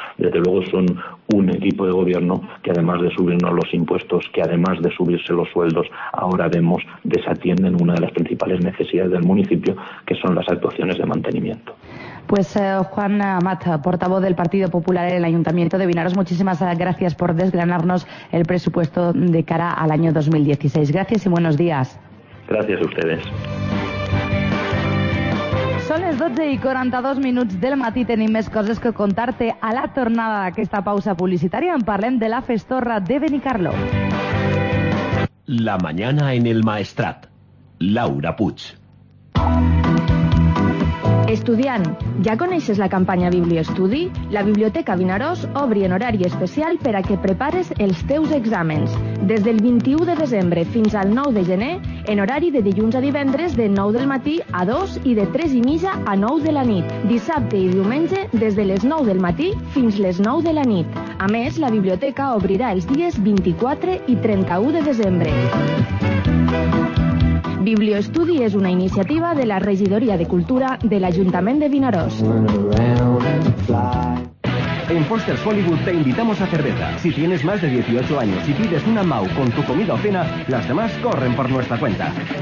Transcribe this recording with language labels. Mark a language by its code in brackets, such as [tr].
[es] Desde luego, son un equipo de gobierno que, además de subirnos los impuestos, que además de subirse los sueldos, ahora vemos desatienden una de las principales necesidades del municipio, que son las actuaciones de mantenimiento. Pues Juan Amat, portavoz del Partido Popular en el Ayuntamiento de Vinaros, muchísimas gracias por desgranarnos el presupuesto de cara al año 2016. Gracias y buenos días. Gracias a ustedes. [ca] Són les 12 i 42 minuts del matí. Tenim més coses que contar-te a la tornada d'aquesta pausa publicitària. En parlem de la Festorra de Benicarló. [es] La mañana en el Maestrat. Laura Puig. [ca] Estudiant, ja coneixes la campanya Bibliostudi? La Biblioteca Vinaròs obri en horari especial per a que prepares els teus exàmens. Des del 21 de desembre fins al 9 de gener, en horari de dilluns a divendres de 9 del matí a 2 i de 3 i mitja a 9 de la nit. Dissabte i diumenge des de les 9 del matí fins les 9 de la nit. A més, la biblioteca obrirà els dies 24 i 31 de desembre. Biblioestudi és una iniciativa de la Regidoria de Cultura de l'Ajuntament de Vinaròs. [es] En Foster's Hollywood te invitamos a cerveza. Si tienes más de 18 años y pides una MAU con tu comida o cena, las demás corren por nuestra cuenta.